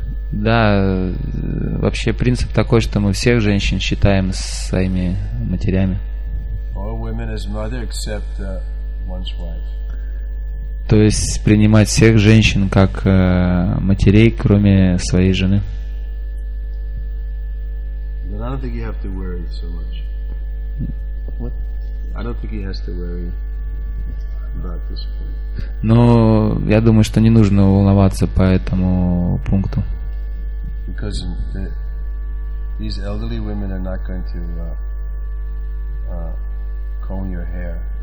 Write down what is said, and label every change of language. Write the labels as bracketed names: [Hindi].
[Russian] Да, вообще принцип такой, что мы всех женщин считаем своими матерями. [English] All women as mother except one's wife. [Russian] То есть принимать всех женщин как матерей, кроме своей жены. [English] But I don't think you have to worry so much. What? I don't think he has to worry about this point. [Russian] Но я думаю, что не нужно волноваться по этому пункту. [English] Because these elderly women are not going to comb your hair.